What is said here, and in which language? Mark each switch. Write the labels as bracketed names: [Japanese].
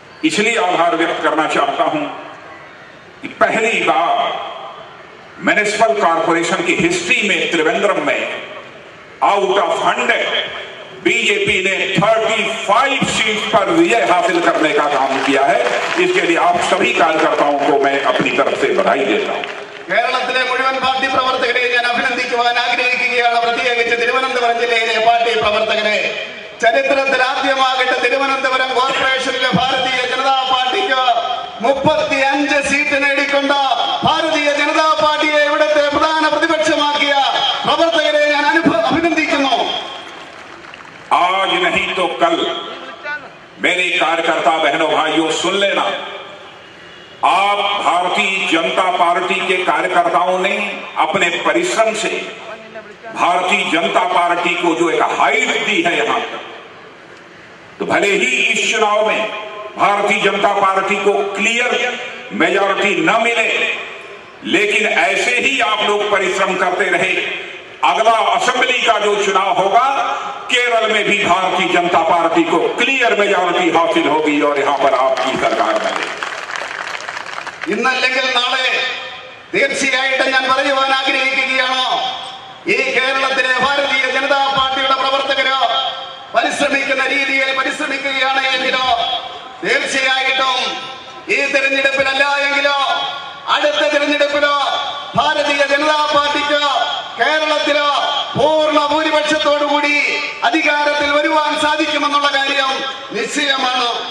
[Hindi] इसलिए आभार व्यक्त करना चाहता हूं कि पहली बार म्युनिसिपल कॉर्पोरेशन की हिस्ट्री में त्रिवेंद्रम में आउट ऑफ 100 बीजेपी ने 35 सीट पर विजय हासिल करने का काम किया है। इसके लिए आप सभी कार्यकर्ताओं को मैं अपनी तरफ से बधाई देता हूं। [Malayalam] കേരളത്തിലെ മുഴുവൻ പാർട്ടി പ്രവർത്തകരെ ഞാൻ അഭിനന്ദിക്കുവാൻ ആഗ്രഹിക്കുകയാണ്। പ്രത്യേകിച്ച് തിരുവനന്തപുരം ജില്ലയിലെ പാർട്ടി പ്രവർത്തകരെ, ചരിത്രത്തിൽ ആദ്യമാകട്ടെ തിരുവനന്തപുരം കോർപ്പറേഷനിലെ ഭാരതീയ ജനതാ പാർട്ടിക്ക് 35 സീറ്റ് നേടിക്കൊണ്ട ഭാരതീയ ജനതാ പാർട്ടിയെ ഇവിടുത്തെ പ്രധാന പ്രതിപക്ഷമാക്കിയ പ്രവർത്തകരെ ഞാൻ അഭിനന്ദിക്കുന്നു। [Hindi] आज नहीं तो कल मेरे कार्यकर्ता बहनों भाइयों सुन लेना, आप भारतीय जनता पार्टी के कार्यकर्ताओं ने अपने परिश्रम से भारतीय जनता पार्टी को जो एक हाइट दी है यहां तक, तो भले ही इस चुनाव में भारतीय जनता पार्टी को क्लियर मेजॉरिटी न मिले, लेकिन ऐसे ही आप लोग परिश्रम करते रहे, अगला असेंबली का जो चुनाव होगा केरल में भी भारतीय जनता पार्टी को क्लियर मेजॉरिटी हासिल होगी और यहां पर आपकी सरकार बनेगी। [Malayalam] ഇന്ന് അല്ലെങ്കിൽ നാളെ തീർച്ചയായിട്ടും ഞാൻ പറയുവാൻ ആഗ്രഹിക്കുകയാണ്, ഈ കേരളത്തിലെ ഭാരതീയ ജനതാ പാർട്ടിയുടെ പ്രവർത്തകർ പരിശ്രമിക്കുന്ന രീതിയിൽ പരിശ്രമിക്കുകയാണ് എങ്കിലോ തീർച്ചയായിട്ടും ഈ തെരഞ്ഞെടുപ്പിലല്ല എങ്കിലോ അടുത്ത തെരഞ്ഞെടുപ്പിലോ ഭാരതീയ ജനതാ പാർട്ടിക്ക് കേരളത്തിലോ പൂർണ്ണ ഭൂരിപക്ഷത്തോടുകൂടി അധികാരത്തിൽ വരുവാൻ സാധിക്കുമെന്നുള്ള കാര്യം നിശ്ചയമാണ്।